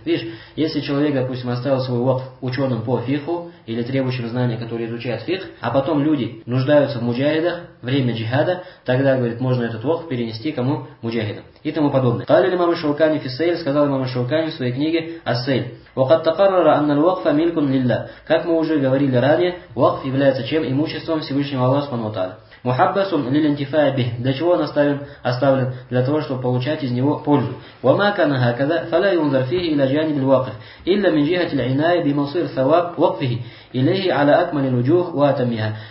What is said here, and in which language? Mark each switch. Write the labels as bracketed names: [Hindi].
[Russian] Видишь, если человек, допустим, оставил свой вакф ученым по фиху или требующим знания, которые изучают фих, а потом люди нуждаются в муджахидах, время джихада, тогда, говорит, можно этот вакф перенести кому? Муджахидам. И тому подобное. [Arabic] Калил имам Шаукани фиссейль, [Russian] сказал имам Шаукани в своей книге «Ассейль». [Arabic] وقد تقرر أن الوقف ملك لله. [Russian] Как мы уже говорили ранее, вакф является чем? Имуществом Всевышнего Аллаха Субхану ва Тааля. [Arabic] Мухаббасун лил интифаа бих. [Russian] Для чего он оставлен? Для того, чтобы получать из него пользу. [Arabic] وَمَا كَانَ هَكَذَا فَلَا يُنْظَرْ فِيهِ إِلَى جَانِبِ الْوَاقِفِ إِلَّا مِنْ جِهَةِ الْعِنَايَةِ بِمَصِيرِ ثَوَابِ وَقْفِهِ إِلَيْهِ عَلَى أَكْمَلِ الْوُجُوهِ وَأَتَمِّهَا.